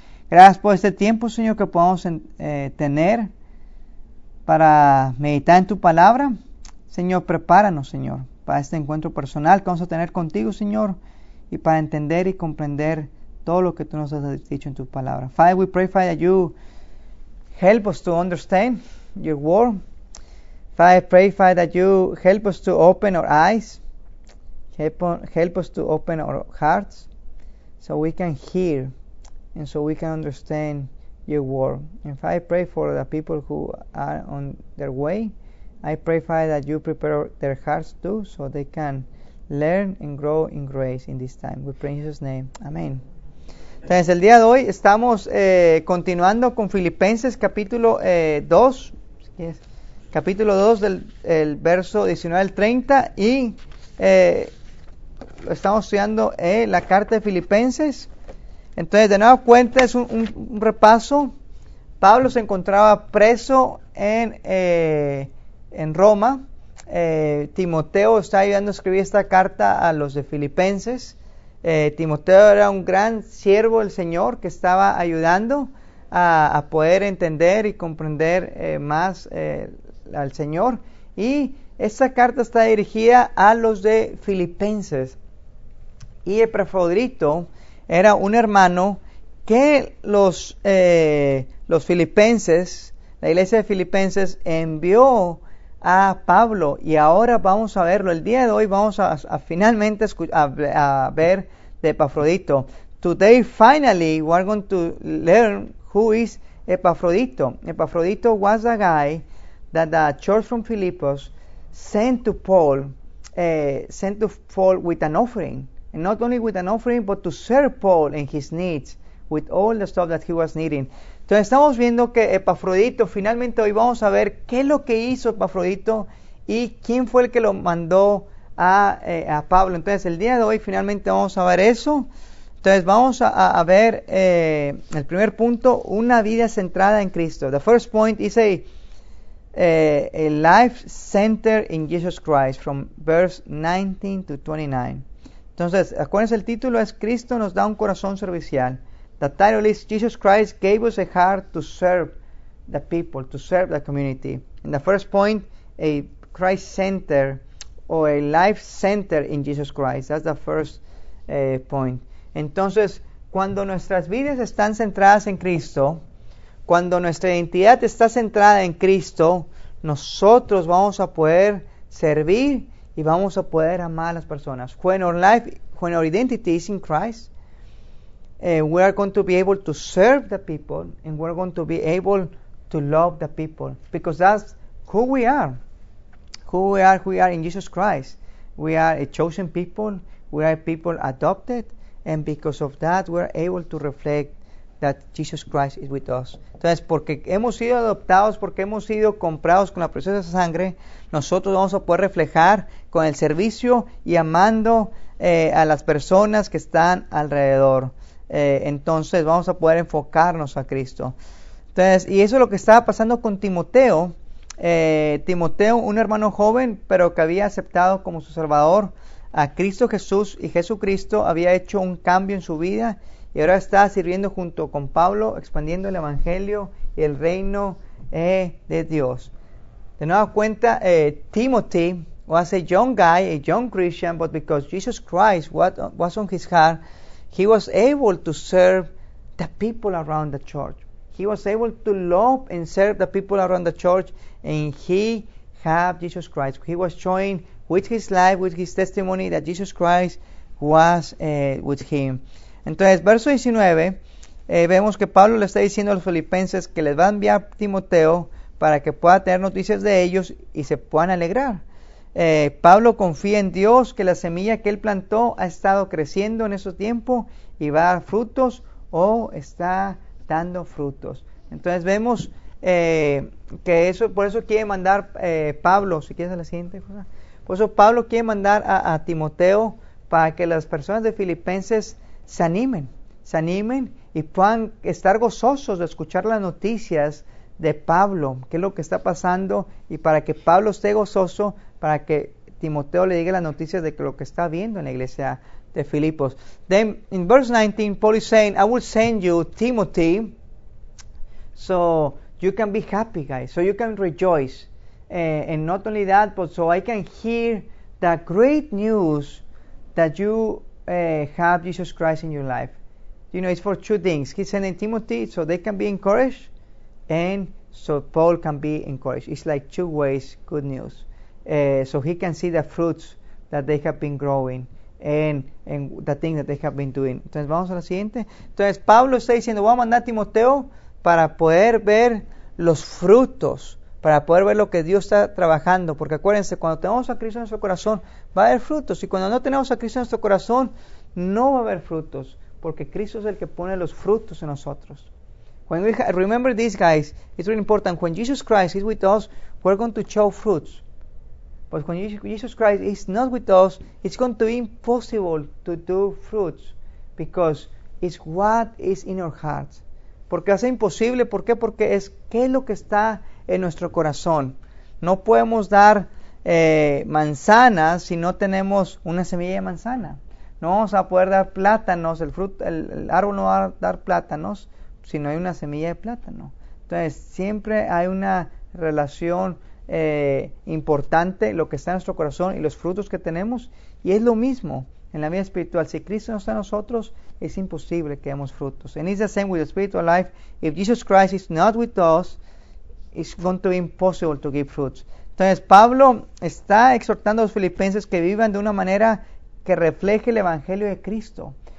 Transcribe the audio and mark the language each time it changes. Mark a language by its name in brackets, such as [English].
[Spanish] Gracias por este tiempo, Señor, que podamos tener para meditar en tu palabra. Señor, prepáranos, Señor, para este encuentro personal que vamos a tener contigo, Señor, y para entender y comprender todo lo que tú nos has dicho en tu palabra. [English] Father, we pray, Father, you help us to understand your word. Father, pray, Father, that you help us to open our eyes. Help us to open our hearts so we can hear and so we can understand your word. And Father, pray for the people who are on their way. I pray, Father, that you prepare their hearts too so they can learn and grow in grace in this time. We pray in Jesus' name. Amen. [Spanish] Entonces, el día de hoy estamos continuando con Filipenses capítulo 2. Capítulo 2 del el verso 19 al 30 y estamos estudiando la carta de Filipenses. Entonces, de nueva cuenta, es un repaso. Pablo se encontraba preso en Roma. Timoteo está ayudando a escribir esta carta a los de Filipenses. Timoteo era un gran siervo del Señor que estaba ayudando a poder entender y comprender más al Señor, y esta carta está dirigida a los de Filipenses. Y Epafrodito era un hermano que los Filipenses, la iglesia de Filipenses, envió a Pablo. Y ahora vamos a verlo el día de hoy. Vamos a finalmente ver de Epafrodito. [English] Today, finally, we're going to learn who is Epafrodito. Epafrodito was a guy that the church from Philippos sent to Paul with an offering. And not only with an offering, but to serve Paul in his needs with all the stuff that he was needing. [Spanish] Entonces, estamos viendo que Epafrodito, finalmente hoy vamos a ver qué es lo que hizo Epafrodito y quién fue el que lo mandó a Pablo. Entonces, el día de hoy finalmente vamos a ver eso. Entonces, vamos a ver el primer punto, una vida centrada en Cristo. [English] The first point is a life centered in Jesus Christ, from verse 19 to 29. [Spanish] Entonces, acuérdense, el título es Cristo nos da un corazón servicial. [English] The title is Jesus Christ gave us a heart to serve the people, to serve the community. In the first point, a Christ center or a life center in Jesus Christ. That's the first point. [Spanish] Entonces, cuando nuestras vidas están centradas en Cristo, cuando nuestra identidad está centrada en Cristo, nosotros vamos a poder servir y vamos a poder amar a las personas. [English] When our life, when our identity is in Christ, we are going to be able to serve the people and we are going to be able to love the people because that's who we are. Who we are in Jesus Christ. We are a chosen people. We are a people adopted. And because of that, we are able to reflect that Jesus Christ is with us. [Spanish] Entonces, porque hemos sido adoptados, porque hemos sido comprados con la preciosa sangre, nosotros vamos a poder reflejar con el servicio y amando a las personas que están alrededor. Entonces, vamos a poder enfocarnos a Cristo. Entonces, y eso es lo que estaba pasando con Timoteo. Timoteo, un hermano joven, pero que había aceptado como su salvador a Cristo Jesús, y Jesucristo había hecho un cambio en su vida y ahora está sirviendo junto con Pablo, expandiendo el evangelio y el reino de Dios. De nueva cuenta, [English] Timothy was a young guy, a young Christian, but because Jesus Christ was on his heart, he was able to serve the people around the church. He was able to love and serve the people around the church, and he had Jesus Christ. He was showing with his life, with his testimony, that Jesus Christ was with him. [Spanish] Entonces, verso 19, vemos que Pablo le está diciendo a los filipenses que les va a enviar Timoteo para que pueda tener noticias de ellos y se puedan alegrar. Pablo confía en Dios que la semilla que él plantó ha estado creciendo en ese tiempo y va a dar frutos o está dando frutos. Entonces, vemos que eso, por eso quiere mandar Pablo, si quieres a la siguiente cosa. Por eso Pablo quiere mandar a Timoteo para que las personas de Filipenses se animen y puedan estar gozosos de escuchar las noticias de Pablo, qué es lo que está pasando, y para que Pablo esté gozoso, para que Timoteo le diga las noticias de que lo que está viendo en la iglesia de Filipos. [English] Then, in verse 19, Paul is saying, I will send you Timothy so you can be happy, guys, so you can rejoice. And not only that, but so I can hear the great news that you have Jesus Christ in your life. You know, it's for two things. He's sending Timothy so they can be encouraged and so Paul can be encouraged. It's like two ways good news. So he can see the fruits that they have been growing and the things that they have been doing. [Spanish] Entonces, vamos a la siguiente. Entonces, Pablo está diciendo, voy a mandar a Timoteo para poder ver los frutos, para poder ver lo que Dios está trabajando. Porque acuérdense, cuando tenemos a Cristo en nuestro corazón, va a haber frutos. Y cuando no tenemos a Cristo en nuestro corazón, no va a haber frutos. Porque Cristo es el que pone los frutos en nosotros. [English] When we remember this, guys, it's really important. When Jesus Christ is with us, we're going to show fruits. But when Jesus Christ is not with us, it's going to be impossible to do fruits. Because it's what is in our hearts. [Spanish] Porque hace imposible. ¿Por qué? Porque es qué es lo que está en nuestro corazón. No podemos dar manzanas si no tenemos una semilla de manzana. No vamos a poder dar plátanos, el árbol no va a dar plátanos si no hay una semilla de plátano. Entonces, siempre hay una relación importante, lo que está en nuestro corazón y los frutos que tenemos, y es lo mismo en la vida espiritual. Si Cristo no está en nosotros, es imposible que demos frutos. [English] And it's the same with the spiritual life. If Jesus Christ is not with us, it's going to be impossible to give fruits. [Spanish] Entonces, Pablo está exhortando a los filipenses que vivan de una manera que refleje el evangelio de Cristo.